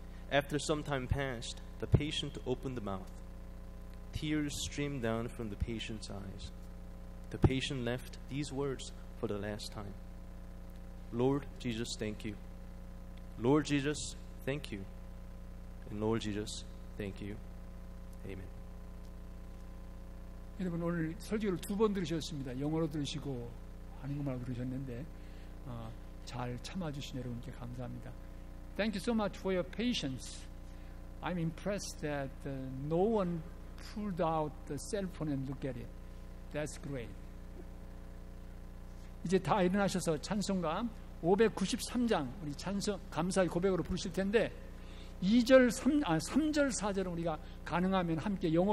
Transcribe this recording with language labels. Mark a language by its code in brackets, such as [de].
[en] After some time passed, the patient opened the mouth. Tears streamed down from the patient's eyes. The patient left these words for the last time. Lord Jesus, thank you. Lord Jesus, thank you. And Lord Jesus, thank you. Amen. [ko] 여러분 오늘 설교를 두 번 들으셨습니다. 영어로 들으시고 한국말로 들으셨는데 잘 참아주신 여러분께 감사합니다. [en] Thank you so much for your patience. I'm impressed that no one pulled out the cell phone and looked at it. That's great. [ko] 이제 다 일어나셔서 찬송가 593장 우리 찬송 감사의 고백으로 부르실 텐데 2절 3절 4절은 우리가 가능하면 함께 영어